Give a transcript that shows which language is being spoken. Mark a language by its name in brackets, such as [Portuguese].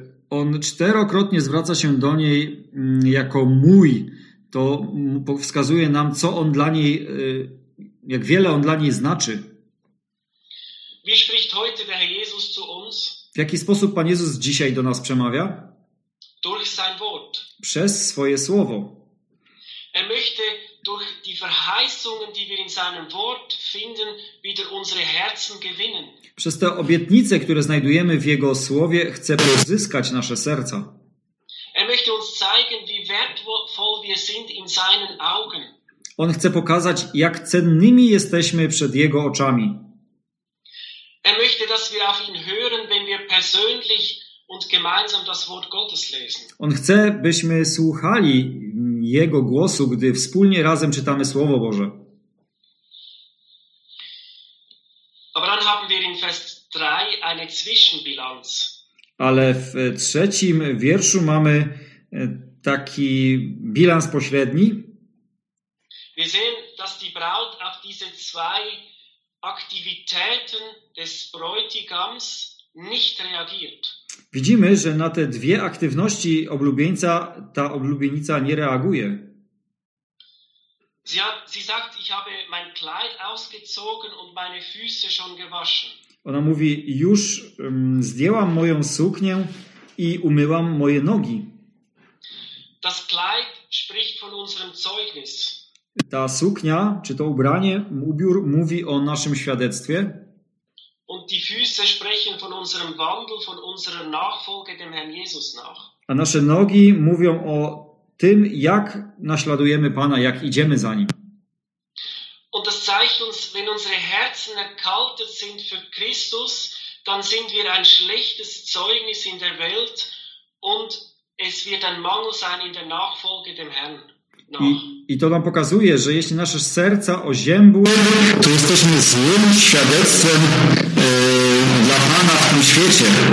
[Polish] On czterokrotnie zwraca się do niej jako mój. To wskazuje nam, co on dla niej, jak wiele on dla niej znaczy. [German] Wie spricht heute der Herr Jesus zu uns? [Polish] W jaki sposób Pan Jezus dzisiaj do nas przemawia? [German] Durch sein Wort. [Polish] Przez swoje słowo. [German] Er möchte durch die Verheißungen, die wir in seinem Wort finden, wieder unsere Herzen gewinnen. [Polish] Przez te obietnice, które znajdujemy w jego słowie, chce pozyskać nasze serca. [German] Er möchte uns zeigen, wie wertvoll wir sind in seinen Augen. [Polish] On chce pokazać, jak cennymi jesteśmy przed jego oczami. [German] Er möchte, dass wir auf ihn hören, wenn wir persönlich und gemeinsam das Wort Gottes lesen. [Polish] On chce, byśmy słuchali jego głosu, gdy wspólnie razem czytamy Słowo Boże. [German] Aber dann haben wir in Vers 3 eine Zwischenbilanz. [Polish] Ale w trzecim wierszu mamy taki bilans pośredni. [German] Wir sehen, dass die Braut auf diese zwei Aktivitäten des Bräutigams nicht reagiert. [Polish] Widzimy, że na te dwie aktywności oblubieńca ta oblubienica nie reaguje. [German] Sie sagt, ich habe mein Kleid ausgezogen und meine Füße schon gewaschen. [Polish] Ona mówi, już zdjęłam moją suknię i umyłam moje nogi. [German] Das Kleid spricht von unserem Zeugnis. [Polish] Ta suknia, czy to ubranie, ubiór, mówi o naszym świadectwie. [German] Und die Füße sprechen von unserem Wandel, von unserer Nachfolge dem Herrn Jesus nach. [Polish] A nasze nogi mówią o tym, jak naśladujemy Pana, jak idziemy za Nim. [German] Und das zeigt uns, wenn unsere Herzen erkaltet sind für Christus, dann sind wir ein schlechtes Zeugnis in der Welt und es wird ein Mangel sein in der Nachfolge dem Herrn. [Polish] I to nam pokazuje, że jeśli nasze serca oziębły, to jesteśmy złym świadectwem dla Pana w tym świecie.